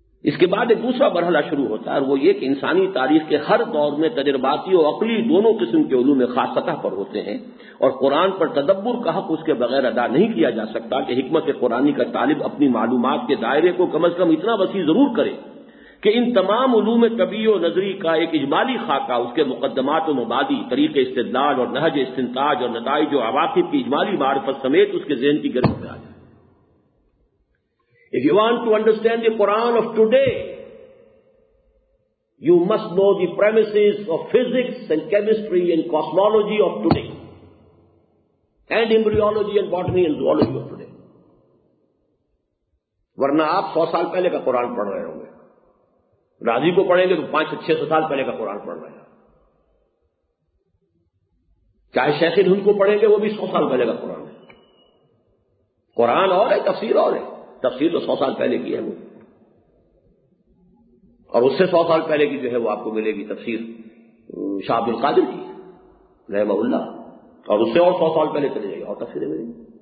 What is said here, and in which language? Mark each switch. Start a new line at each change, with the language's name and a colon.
Urdu: اس کے بعد ایک دوسرا مرحلہ شروع ہوتا ہے، اور وہ یہ کہ انسانی تاریخ کے ہر دور میں تجرباتی اور عقلی دونوں قسم کے علوم خاص سطح پر ہوتے ہیں، اور قرآن پر تدبر کا حق اس کے بغیر ادا نہیں کیا جا سکتا کہ حکمت قرآنی کا طالب اپنی معلومات کے دائرے کو کم از کم اتنا وسیع ضرور کرے کہ ان تمام علوم طبیع و نظری کا ایک اجمالی خاکہ، اس کے مقدمات و مبادی، طریق استدلال اور نہج استنتاج اور نتائج و عواقب کی اجمالی معرفت سمیت اس کے ذہن کی گرفت میں آ جائے.
English: If you want to understand the Quran of today, you must know the premises of physics and chemistry and cosmology of today, and embryology and botany and zoology of today.
Urdu: ورنہ آپ 100 سال پہلے کا قرآن پڑھ رہے ہوں گے، راضی کو پڑھیں گے تو 500-600 سال پہلے کا قرآن پڑھ رہے ہیں، چاہے شیخ ہند کو پڑھیں گے وہ بھی 100 سال پہلے کا قرآن ہے. قرآن اور ہے، تفسیر اور ہے، تفسیر تو 100 سال پہلے کی ہے وہ، اور اس سے 100 سال پہلے کی جو ہے وہ آپ کو ملے گی تفسیر شاہ عبد القادر کی رحمہ اللہ، اور اس سے اور 100 سال پہلے چلے جائے گی اور تفسیریں ملیں گی.